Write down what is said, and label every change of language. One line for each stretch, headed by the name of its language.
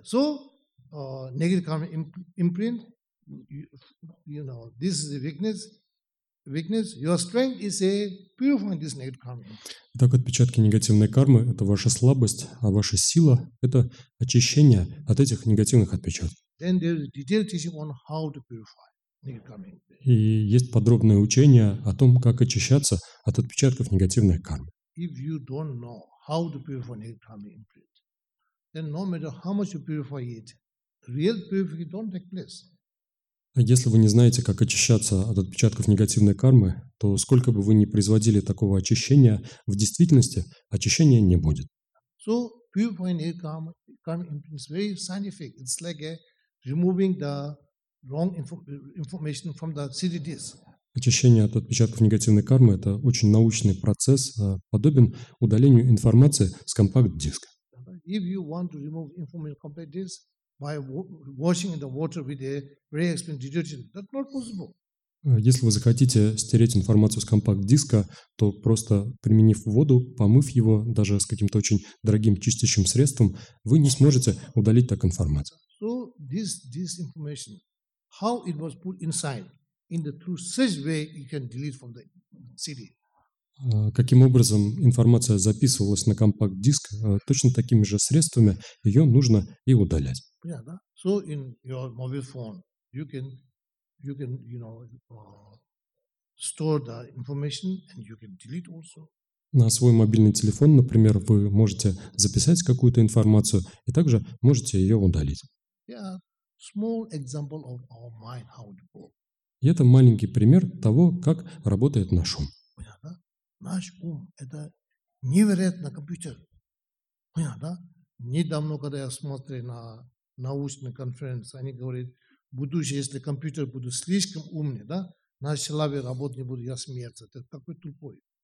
English: So, negative karma imprint, you know, this is a weakness. Weakness, your strength is a purifying this negative karma.
Russian: Итак, отпечатки негативной кармы – это ваша слабость, а ваша сила – это очищение от этих негативных отпечатков.
English: Then there is a detailed teaching on how to purify.
Russian: И есть подробное учение о том, как очищаться от отпечатков негативной кармы.
English: If you don't know how to purify negative karma imprint, then no matter how much you purify it, real purification don't take place.
Russian: А если вы не знаете, как очищаться от отпечатков негативной кармы, то сколько бы вы ни производили такого очищения, в действительности очищения не будет.
English: So purifying negative karma imprint is very scientific. It's like removing the wrong information from the CDDs.
Russian: Очищение от отпечатков негативной кармы – это очень научный процесс, подобен удалению информации с компакт-диска.
English: If you want to remove information from compact disk by washing in the water with a very expensive detergent, that's not possible.
Russian: Если вы захотите стереть информацию с компакт-диска, то просто применив воду, помыв его даже с каким-то очень дорогим чистящим средством, вы не сможете удалить так информацию.
English: So this information. How it was put inside, in the through such way you can delete from the CD.
Russian: Каким образом информация записывалась на компакт-диск, точно такими же средствами ее нужно и удалять. Yeah, да?
English: So in your mobile phone, you can you know store the information and you can delete also.
Russian: На свой мобильный телефон, например, вы можете записать какую-то информацию и также можете ее удалить. Yeah.
English: Small example of our mind, how it works.
Russian: И это маленький пример того, как работает наш ум. Понятно, да? Наш ум – это невероятный компьютер. Понятно, да? Недавно, когда я смотрел на научную конференцию, они говорят, будущее, если компьютер будет слишком умный, да, на слабе работать не буду, я смеяться. Ты какой тупой.